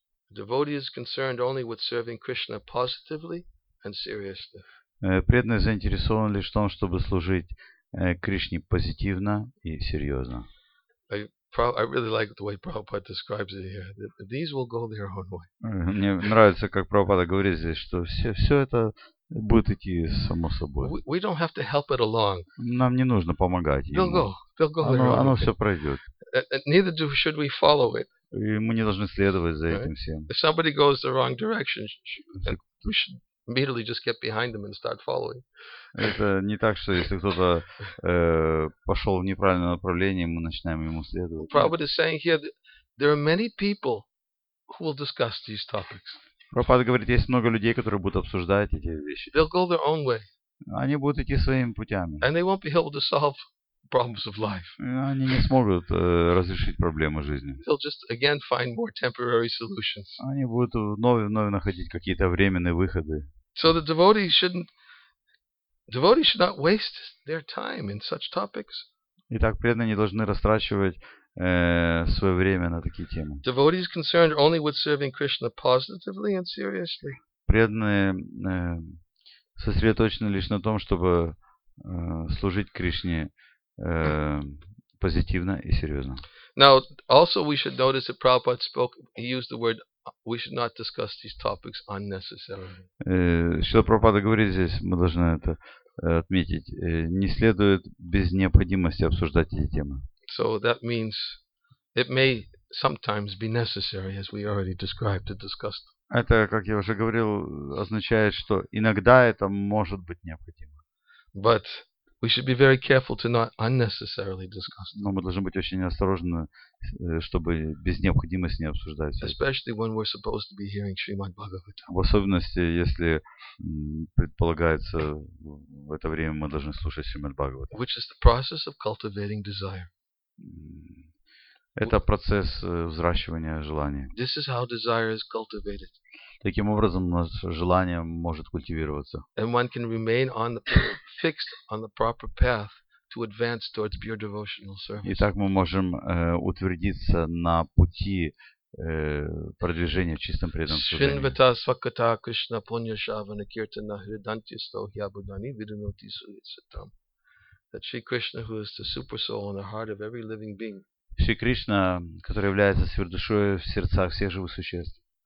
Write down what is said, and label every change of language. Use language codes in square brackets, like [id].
[en] Devotee is concerned only with serving Krishna positively and seriously. [ru] Преданный заинтересован лишь в том, чтобы служить Кришне позитивно и серьезно. [en] I really like the way Prabhupada describes it here. These will go their own way. [ru] Мне нравится, как Прабхупада говорит здесь, что все это будет идти само собой. [en] We don't have to help it along. [ru] Нам не нужно помогать. [en] They'll go their own way. [ru] Оно все пройдет. [en] Neither should we follow it. [ru] И мы не должны следовать за этим всем. [en] If somebody goes the wrong direction, we should immediately just get behind them and start following. [ru] Это не так, что если кто-то пошел в неправильное направление, мы начинаем ему следовать. [en] Prabhupada is saying here that there are many people who will discuss these topics. [ru] Прабхупада говорит, есть много людей, которые будут обсуждать эти вещи. [en] They'll go their own way. [ru] Они будут идти своими путями. [en] And they won't be able to solve problems of life. [ru] Они не смогут разрешить проблемы жизни. [en] They'll just again find more temporary solutions. [ru] Они будут вновь и вновь находить какие-то временные выходы. [en] So the devotees should not waste their time in such topics. [ru] Итак, преданные не должны растрачивать свое время на такие темы. [en] Devotees concerned only with serving Krishna positively and seriously. [ru] Преданные сосредоточены лишь на том, чтобы служить Кришне позитивно и серьезно. [en] Now, also we should notice that Prabhupada spoke. He used the word. We should not discuss these topics unnecessarily. [ru] Что Прабхупада говорит здесь, мы должны это отметить. Не следует без необходимости обсуждать эти темы. [en] So that means it may sometimes be necessary, as we already described, to discuss them. [ru] Это, как я уже говорил, означает, что иногда это может быть необходимо. [en] But we should be very careful to not unnecessarily discuss. [ru] Но мы должны быть очень осторожны, чтобы без необходимости не обсуждать. [en] Especially when we're supposed to be hearing Srimad Bhagavatam. [ru] В особенности, если предполагается в это время мы должны слушать Srimad Bhagavatam. [en] Which is the process of cultivating desire. [ru] Это процесс взращивания желания. [en] This is how desire is cultivated. [ru] Таким образом, наше желание может культивироваться. [en] And one can remain on the fixed on the proper path to advance towards pure devotional service. [ru] Итак, мы можем утвердиться на пути продвижения в чистом преданном служении. [sa] Шинвита свакката Кришна пуньяшавана киртана хридантья стохья будани видануте суетсатам. [en] That Sri Krishna, who is the super soul in the heart of every living being. [ru] Шри Кришна, который является сверхдушой в сердцах всех живых существ.